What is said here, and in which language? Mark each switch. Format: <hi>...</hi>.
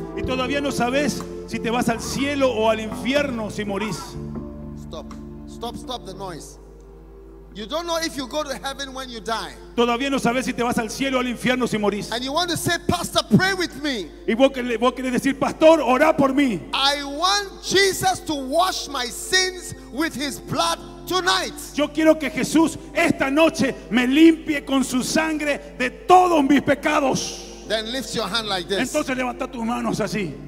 <es>Y todavía no sabes si te vas al cielo o al infierno si morís.</es> <en>Stop. Stop, stop the noise. You don't know if you go to heaven when you die.</en> <es>Todavía no sabes si te vas al cielo o al infierno si morís.</es> <en>And you want to say, Pastor, pray with me.</en> <es>Y vos querés decir, Pastor, orá por mí.</es> <en>I want Jesus to wash my sins with His blood tonight.</en> <es>Yo quiero que Jesús esta noche me limpie con su sangre de todos mis pecados.</es> <en>Then lift your hand like this.</en> <es>Entonces levanta tus manos así.</es>